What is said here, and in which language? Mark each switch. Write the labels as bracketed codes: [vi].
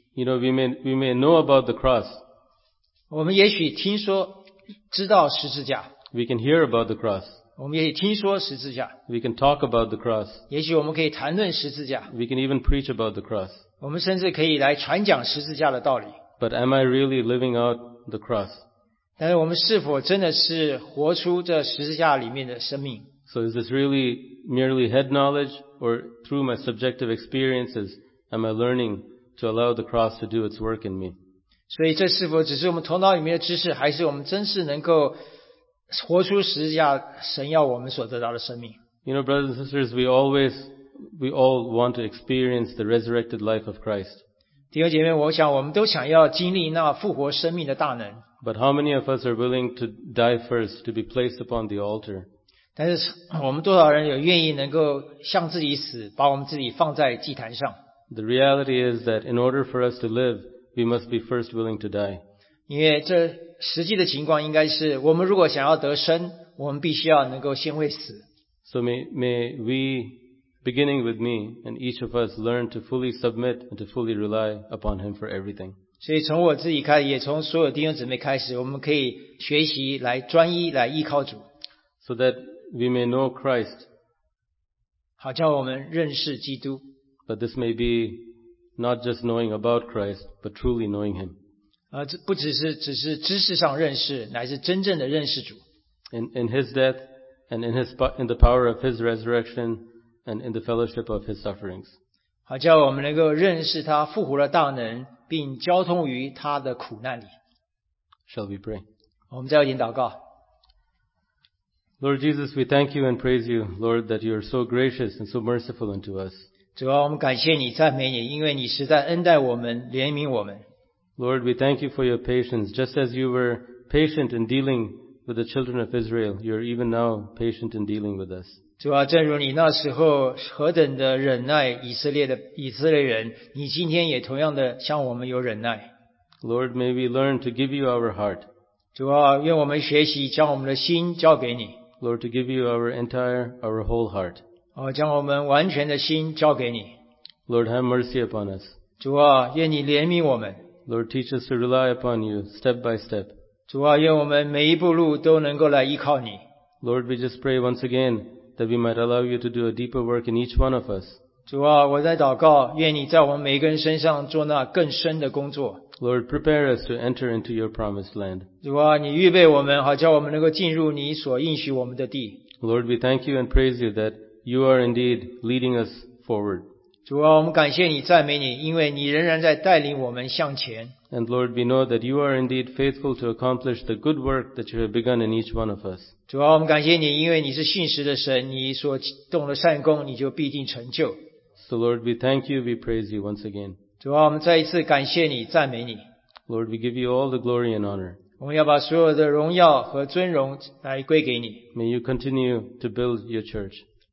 [en] You know, we may know about the cross. [zh] 我们也许听说知道十字架。 [en] We can hear about the cross. [zh] 我们也听说十字架。 [en] We can talk about the cross. [zh] 也许我们可以谈论十字架。 [en] We can even preach about the cross. [zh] 我们甚至可以来传讲十字架的道理。 [en] But am I really living out the cross? [zh] 但是我们是否真的是活出这十字架里面的生命？ [en] So is this really merely head knowledge, or through my subjective experiences, am I learning to allow the cross to do its work in me? [zh] 所以这是否只是我们头脑里面的知识，还是我们真是能够活出十字架神要我们所得到的生命？ [en] You know, brothers and sisters, we all want to experience the resurrected life of Christ. [zh] 弟兄姐妹，我想我们都想要经历那复活生命的大能。 [en] But how many of us are willing to die first to be placed upon the altar? [zh] 但是我们多少人有愿意能够向自己死，把我们自己放在祭坛上？ [en] The reality is that in order for us to live, we must be first willing to die. [zh] 因为这实际的情况应该是，我们如果想要得生，我们必须要能够先会死。 [en] So may we, beginning with me, and each of us learn to fully submit and to fully rely upon Him for everything. [zh] 所以从我自己开始，也从所有弟兄姊妹开始，我们可以学习来专一，来依靠主。 [en] So that we may know Christ. [zh] 好叫我们认识基督。 [en] But this may be not just knowing about Christ, but truly knowing Him. [zh] 不只是知识上认识，乃是真正的认识主。 [en] In His death, and in the power of His resurrection, and in the fellowship of His sufferings. [zh] 好叫我们能够认识他复活的大能，并交通于他的苦难里。 [en] Shall we pray? [zh] 我们再有点祷告。 [en] Lord Jesus, we thank you and praise you, Lord, that you are so gracious and so merciful unto us. [zh] 主啊，我们感谢你，赞美你，因为你实在恩待我们，怜悯我们。 [en] Lord, we thank you for your patience. Just as you were patient in dealing with the children of Israel, you are even now patient in dealing with us. [zh] 主啊，正如你那时候何等的忍耐以色列人，你今天也同样的向我们有忍耐。 [en] Lord, may we learn to give you our heart. [zh] 主啊，愿我们学习将我们的心交给你。 [en] Lord, to give you our whole heart. [zh] 哦，将我们完全的心交给你。 [en] Lord, have mercy upon us. [zh] 主啊，愿你怜悯我们。 [en] Lord, teach us to rely upon you step by step. [zh] 主啊，愿我们每一步路都能够来依靠你。 [en] Lord, we just pray once again that we might allow you to do a deeper work in each one of us. [zh] 主啊，我在祷告，愿你在我们每个人身上做那更深的工作。 [en] Lord, prepare us to enter into your promised land. [zh] 主啊，你预备我们，好叫我们能够进入你所应许我们的地。 [en] Lord, we thank you and praise you that you are indeed leading us forward. [zh] 主啊，我们感谢你，赞美你，因为你仍然在带领我们向前。 [en] And Lord, we know that you are indeed faithful to accomplish the good work that you have begun in each one of us. [zh] 主啊，我们感谢你，因为你是信实的神，你所动的善功，你就必定成就。 [en] So Lord, we thank you, we praise you once again. [zh] 主啊，我们再一次感谢你，赞美你。 [en] Lord, we give you all the glory and honor. [zh] 我们要把所有的荣耀和尊荣来归给你。 [en] May you continue to build your church.